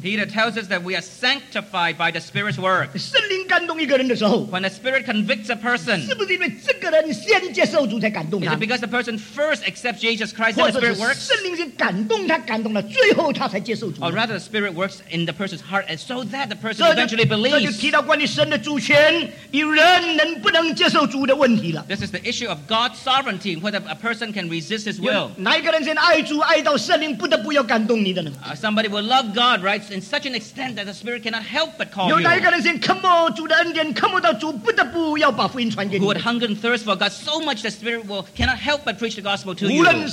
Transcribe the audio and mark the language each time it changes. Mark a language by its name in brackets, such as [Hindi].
[English] Peter tells us that we are sanctified by the Spirit's work. [Chinese] 圣灵感动一个人的时候, [English] when the Spirit convicts a person, [Chinese] 是不是因为这个人先接受主才感动他? [English] Is it because the person first accepts Jesus Christ and the Spirit works? [Chinese] 或者是圣灵先感动他感动了最后他才接受主? [English] Or rather, the Spirit works in the person's heart and so that the person eventually believes. [Chinese] 这就提到关于神的主权与人能不能接受主的问题了。 [English] This is the issue of God's sovereignty, whether a person can resist his will. [Chinese] 哪一个人先爱主爱到圣灵不得不要感动你的呢? [English] Somebody will love God, right, in such an extent that the Spirit cannot help but call you. [Chinese] 有哪一个人先渴慕主的恩典，渴慕到主不得不要把福音传给你。 [English] Who would hunger and thirst for God so much the Spirit will cannot help but preach the gospel to you.